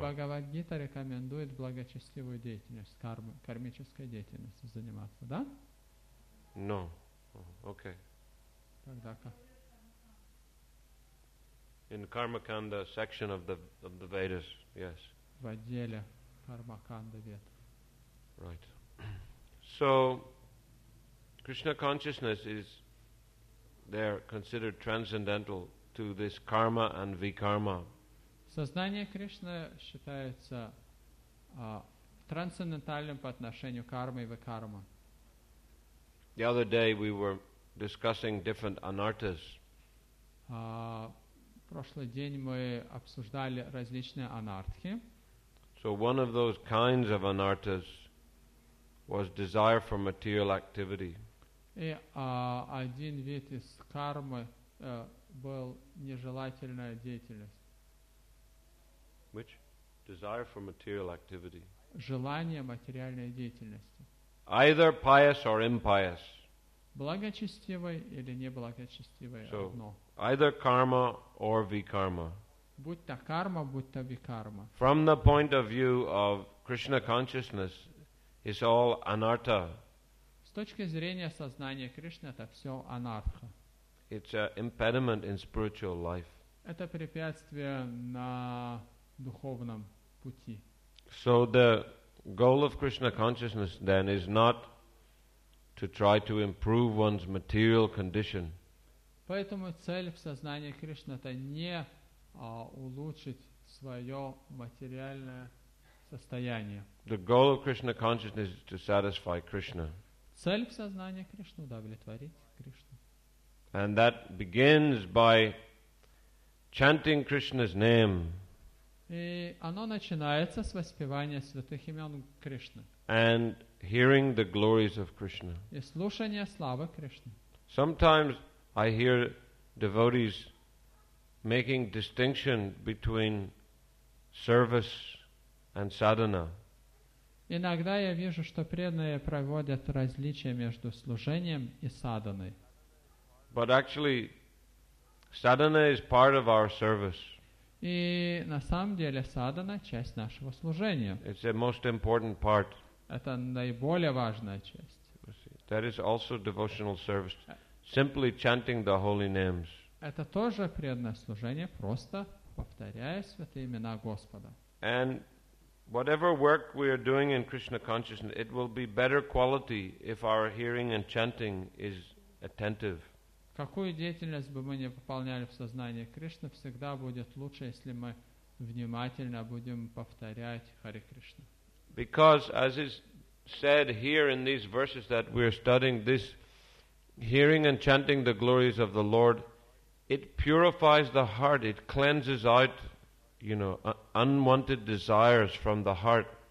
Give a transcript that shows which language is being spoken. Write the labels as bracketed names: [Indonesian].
[Russian] Бхагавад-гита рекомендует благочестивую деятельность, карму, кармической деятельностью заниматься, да? [English] No. Okay. [Russian] Тогда как? [English] In the Karmakanda section of the Vedas, yes. [Russian] В отделе Кармаканда Вед. [English] Right. So, Krishna consciousness is there considered transcendental to this karma and vikarma. [Russian] Сознание Кришны считается трансцендентальным по отношению к карме и викарме. [English] The other day we were discussing different anarthas. [Russian] Прошлый день мы обсуждали различные анартхи. [English] So one of those kinds of anarthas was desire for material activity. [Russian] И один вид из кармы был нежелательная деятельность. [English] Which? Desire for material activity. [Russian] Желание материальной деятельности. [English] Either pious or impious. [Russian] Благочестивой или неблагочестивой одно. [English] Either karma or vikarma. [Russian] Будь то карма, будь то викарма. [English] From the point of view of Krishna consciousness, it's all anartha. [Russian] С точки зрения сознания Кришны, это все анартха. [English] It's an impediment in spiritual life. [Russian] Это препятствие на духовном пути. [English] So the goal of Krishna consciousness then is not to try to improve one's material condition. [Russian] Поэтому цель в сознании Кришны это не улучшить свое материальное состояние. [English] The goal of Krishna consciousness is to satisfy Krishna. [Russian] Цель в сознании Кришны удовлетворить Кришну. [English] And that begins by chanting Krishna's name. [Russian] И оно начинается с воспевания святых имен Кришны. [English] And hearing the glories of Krishna. [Russian] И слушание славы Кришны. [English] Sometimes I hear devotees making distinction between service and sadhana. [Russian] Иногда я вижу, что преданные проводят различия между служением и садханой. [English] But actually, sadhana is part of our service. [Russian] И на самом деле садхана — часть нашего служения. [English] It's the most important part. [Russian] Это наиболее важная часть. [English] That is also devotional service. Simply chanting the holy names. [Russian] Это тоже преданное служение, просто повторяя святые имена Господа. [English] And whatever work we are doing in Krishna consciousness, it will be better quality if our hearing and chanting is attentive. [Russian] Какую деятельность бы мы ни выполняли в сознании Кришны, всегда будет лучше, если мы внимательно будем повторять Хари Кришна. [English] Because as is said here in these verses that we are studying, this hearing and chanting the glories of the Lord, it purifies the heart, it cleanses out, you know, unwanted desires from the heart.